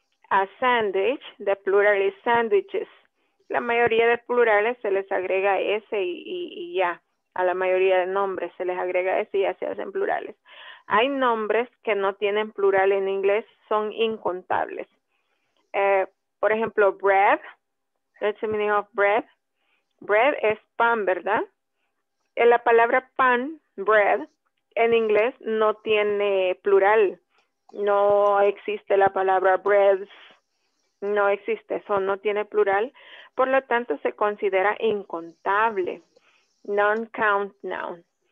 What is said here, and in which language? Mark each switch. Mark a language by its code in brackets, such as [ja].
[en] A sandwich, the plural is sandwiches. [es] La mayoría de plurales se les agrega S y ya. A la mayoría de nombres se les agrega S y ya se hacen plurales. Hay nombres que no tienen plural en inglés, son incontables. Por ejemplo, bread, [en] that's the meaning of bread. [es] Bread es pan, ¿verdad? En la palabra pan, bread, en inglés no tiene plural, no existe la palabra breads, no existe, eso no tiene plural, por lo tanto se considera incontable, non-count noun.